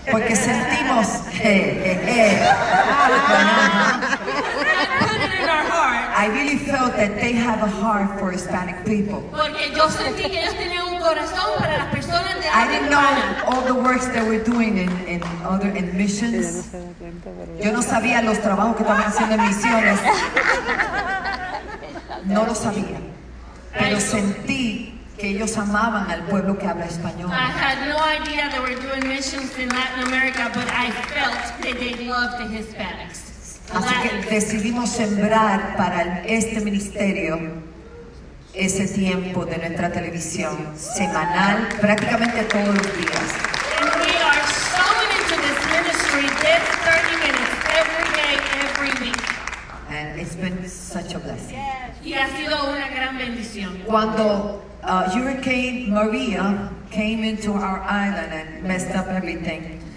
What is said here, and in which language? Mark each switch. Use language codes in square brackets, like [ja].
[es] Porque sentimos, [en] I really felt that they have a heart for Hispanic people. I didn't know all the works that we're doing in missions. [es] Yo no sabía los trabajos que estaban haciendo en misiones. No lo sabía. Pero sentí que ellos amaban al pueblo que habla español. [en] I had no idea they were doing missions in Latin America, but I felt that they loved the Hispanics. [es] Así que decidimos sembrar para este ministerio ese tiempo de nuestra televisión semanal, prácticamente todos los días. [en] And we are sowing into this ministry this 30 minutes every day, every week. And it's been such a blessing. [es] Y ha sido una gran bendición. [en] Cuando Hurricane Maria came into our island and messed up everything.